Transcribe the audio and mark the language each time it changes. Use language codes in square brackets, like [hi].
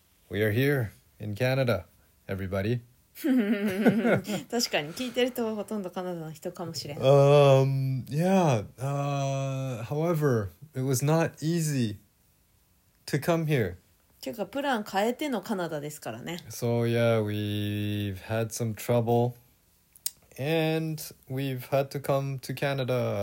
[en] We are here in Canada, everybody. [ja] 確かに聞いてる人はほとんどカナダの人かもしれん。 [en] However, it was not easy to come here. [ja] ていうかプラン変えてのカナダですからね。 [en] So yeah, we've had some trouble and we've had to come to Canada.